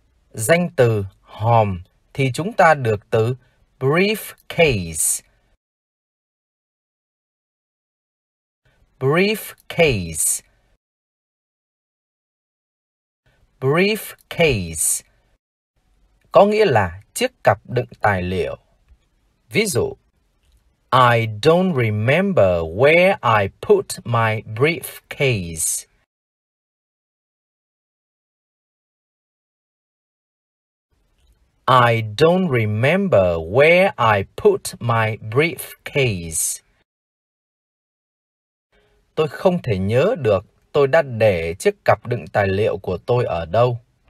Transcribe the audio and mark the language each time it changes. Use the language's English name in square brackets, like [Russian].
[Vietnamese] Danh từ hòm thì chúng ta được từ briefcase. [English] Briefcase. [Vietnamese] Briefcase. Có nghĩa là chiếc cặp đựng tài liệu. Ví dụ, [English] I don't remember where I put my briefcase. I don't remember where I put my briefcase. [Vietnamese] Tôi không thể nhớ được tôi đã để chiếc cặp đựng tài liệu của tôi ở đâu.